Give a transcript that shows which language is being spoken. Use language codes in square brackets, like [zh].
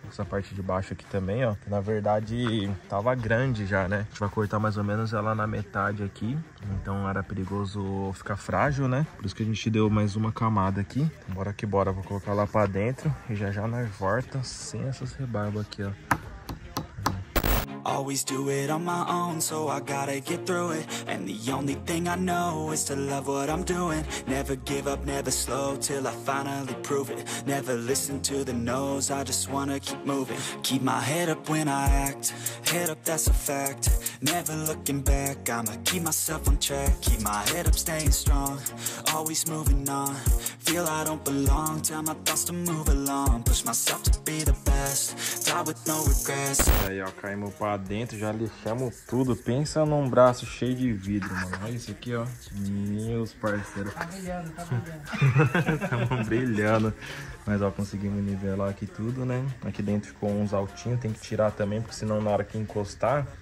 [pt] Essa parte de baixo aqui também, ó. Que na verdade, tava grande já, né? A gente vai cortar mais ou menos ela na metade aqui. Então era perigoso ficar frágil, né? Por isso que a gente deu mais uma camada aqui. Então, bora que bora. Vou colocar lá pra dentro e já já nós volta sem essas rebarbas aqui, ó. [en] Always do it on my own, so I gotta get through it. And the only thing I know is to love what I'm doing. Never give up, never slow, till I finally prove it. Never listen to the no's, I just wanna keep moving. Keep my head up when I act, head up, that's a fact. Never looking back, I'ma keep myself on track. Keep my head up, staying strong, always moving on. Feel I don't belong, tell my thoughts to move along. Push myself to be the best, die with no regrets. [pt] Aí, ó, caímos pra dentro, já lixamos tudo. Pensa num braço cheio de vidro, mano. Olha isso aqui, ó. Meus parceiros. Tá brilhando. Mas, ó, conseguimos nivelar aqui tudo, né? Aqui dentro ficou uns altinhos, tem que tirar também, porque senão na hora que encostar...